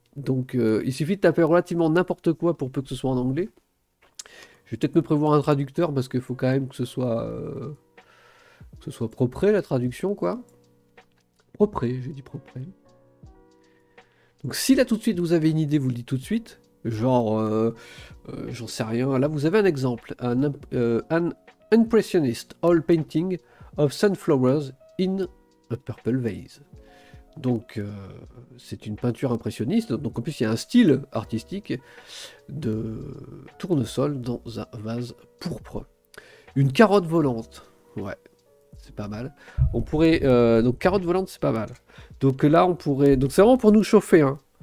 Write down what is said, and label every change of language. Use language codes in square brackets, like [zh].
[fr] Donc, il suffit de taper relativement n'importe quoi pour peu que ce soit en anglais. Je vais peut-être me prévoir un traducteur parce qu'il faut quand même que ce soit propre, la traduction, quoi. Propre, j'ai dit propre. Donc si là tout de suite vous avez une idée, vous le dites tout de suite. Genre, j'en sais rien. Là, vous avez un exemple. [en] An impressionist oil painting of sunflowers in a purple vase. [fr] Donc, c'est une peinture impressionniste. Donc en plus, il y a un style artistique de tournesol dans un vase pourpre. Une carotte volante. Ouais. C'est pas mal. On pourrait. Donc carotte volante, c'est pas mal. Donc là, on pourrait. Donc c'est vraiment pour nous chauffer, hein.